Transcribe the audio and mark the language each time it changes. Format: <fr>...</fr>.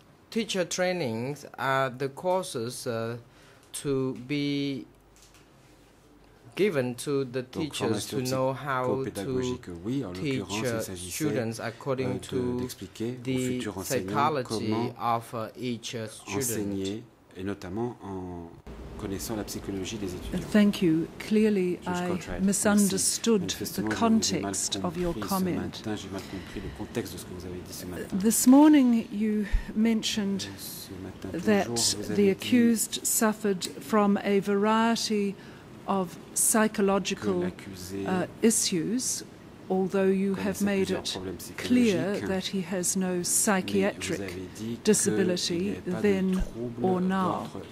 <en>teacher trainings are the courses to be given to the teachers to know how to teach students according to the psychology of each student.</en> <fr>Et notamment en connaissant la psychologie des étudiants.</fr> <en>Thank you. Clearly, I misunderstood the context of your comment.</en> <fr>J'ai mal compris le contexte de ce que vous avez dit ce matin.</fr> <en>This morning, you mentioned that the accused suffered from a variety of psychological issues, although you have made it clear that he has no psychiatric disability then or now.</en>